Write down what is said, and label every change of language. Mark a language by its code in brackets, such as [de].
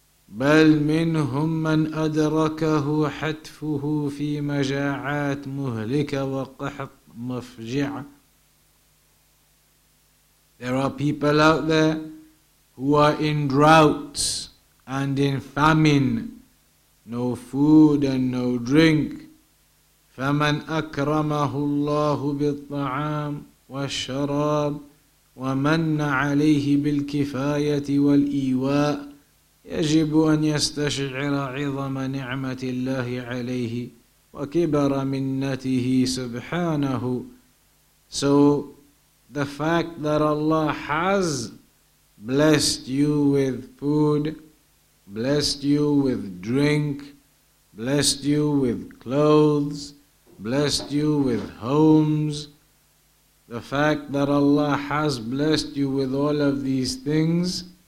[ar] بَلْ مِنْهُمْ مَنْ أَدْرَكَهُ حَتْفُهُ فِي مَجَاعَاتْ مُهْلِكَ وَقَحْطْ مَفْجِعَ. [en] There are people out there who are in droughts and in famine, no food and no drink. [ar] فَمَنْ أَكْرَمَهُ اللَّهُ بِالطَّعَامِ وَالشَّرَابِ وَمَنَّ عَلَيْهِ بِالْكِفَايَةِ وَالْإِيوَاءِ يجب أن يستشعر عظم نعمة الله عليه وكبر منته سبحانه. [en] So the fact that Allah has blessed you with food, blessed you with drink, blessed you with clothes, blessed you with homes, the fact that Allah has blessed you with all of these things